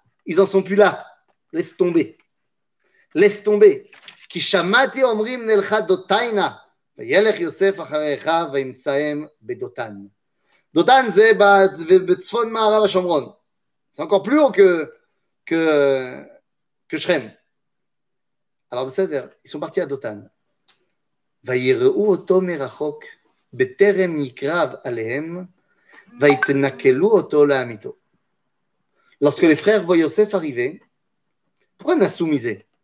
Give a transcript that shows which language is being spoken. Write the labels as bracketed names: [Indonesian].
[French] ils en sont plus là. Laisse tomber. [Hebrew] כי שמעתי אומרים נלך דותיינה, וילך יוסף אחריך וימצאם בדותן. דותן זה בצפון מערב השומרון. [French] C'est encore plus haut que שכם. Alors בסדר, ils sont partis à דותן. [Hebrew] ויראו אותו מרחוק בטרם יקרב עליהם ויתנקלו אותו לעמיתו. [French] Lorsque les frères voient Yosef arriver, pourquoi [Hebrew] נסו מזה?